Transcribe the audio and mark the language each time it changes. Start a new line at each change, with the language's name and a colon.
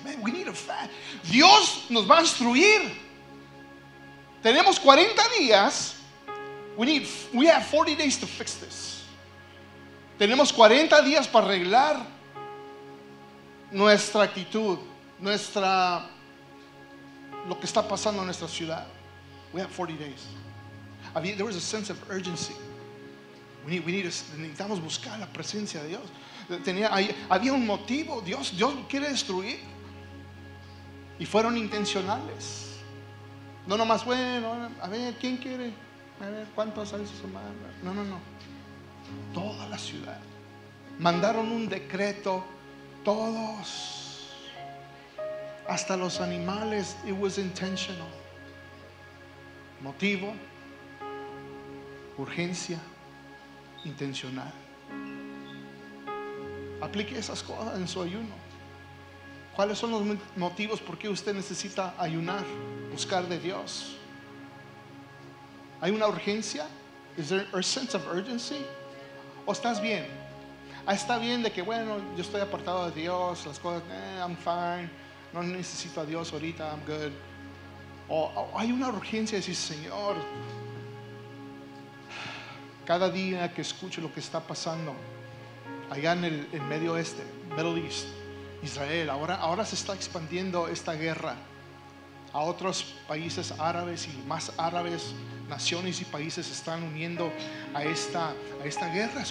English: Man, we need a fast.
Spanish: Dios nos va a instruir. Tenemos 40 días.
English: We have 40 days to fix this.
Spanish: Tenemos 40 días para arreglar nuestra actitud, lo que está pasando en nuestra ciudad. We have 40 days.
English: There was a sense of urgency.
Spanish: Necesitamos buscar la presencia de Dios. Había un motivo. Dios quiere destruir. Y fueron intencionales. No nomás, bueno, a ver, ¿quién quiere? A ver, ¿cuántos años se manda? No. Toda la ciudad. Mandaron un decreto. Todos. Hasta los animales.
English: It was intentional.
Spanish: Motivo. Urgencia. Intencional. Aplique esas cosas en su ayuno. ¿Cuáles son los motivos por qué usted necesita ayunar, buscar de Dios? ¿Hay una urgencia?
English: Is there a sense of urgency?
Spanish: ¿O estás bien? ¿Está bien de que bueno, yo estoy apartado de Dios, las cosas,
English: I'm fine,
Spanish: no necesito a Dios ahorita,
English: I'm good?
Spanish: ¿O hay una urgencia de decir, Señor, cada día que escucho lo que está pasando allá en el Medio Oeste, Middle East, Israel, ahora se está expandiendo esta guerra a otros países árabes, y más árabes, naciones y países se están uniendo a esta guerra?